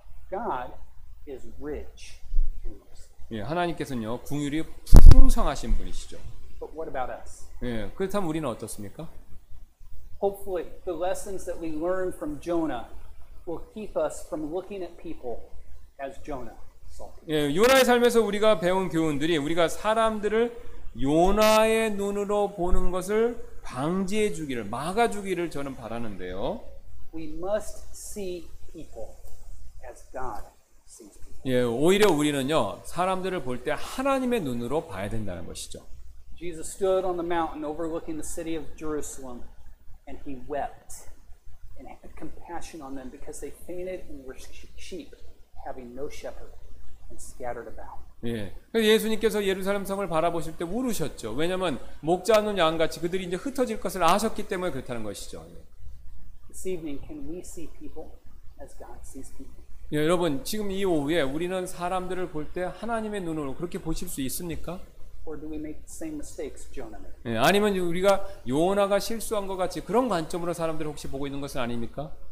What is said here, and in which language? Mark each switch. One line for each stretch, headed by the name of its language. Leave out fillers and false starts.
English: God is rich in mercy.
Korean: 예, 하나님께서는요 궁율이 풍성하신 분이시죠.
English: But what about us?
Korean: 예, 그렇다면 우리는 어떻습니까?
English: Hopefully the lessons that we learn from Jonah will keep us from looking at people as Jonah saw people.
Korean: 예, 요나의 삶에서 우리가 배운 교훈들이 우리가 사람들을 요나의 눈으로 보는 것을 방지해 주기를 막아 주기를 저는 바라는데요.
English: We must see people as God sees people.
Korean: 예, 오히려 우리는요 사람들을 볼 때 하나님의 눈으로 봐야 된다는 것이죠.
English: Jesus stood on the mountain overlooking the city of Jerusalem, and he wept and had compassion on them because they fainted and were sheep having no shepherd and scattered about.
Korean: 예, 예수님께서 예루살렘 성을 바라보실 때 울으셨죠. 왜냐하면 목자 없는 양같이 그들이 이제 흩어질 것을 아셨기 때문에 그렇다는 것이죠.
English: This evening, can we see people as God sees people?
Korean: 예, 여러분 지금 이 오후에 우리는 사람들을 볼 때 하나님의 눈으로 그렇게 보실 수 있습니까?
English: Or do we make the same mistakes Jonah made?
Korean: 예, 아니면 우리가 요나가 실수한 것 같이 그런 관점으로 사람들을 혹시 보고 있는 것은 아닙니까?